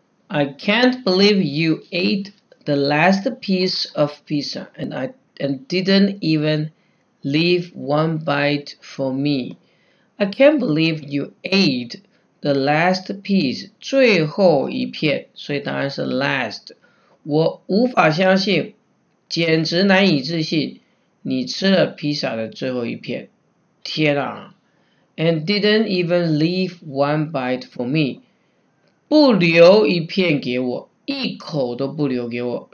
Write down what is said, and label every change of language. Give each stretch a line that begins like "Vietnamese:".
English: I can't believe you ate the last piece of pizza and didn't even leave one bite for me. I can't believe you ate the last piece.
Chinese: 最后一片，所以当然是 last。我无法相信，简直难以置信，你吃了披萨的最后一片。天啊！
English: And didn't even leave one bite for me.
Chinese: 不留一片给我，一口都不留给我。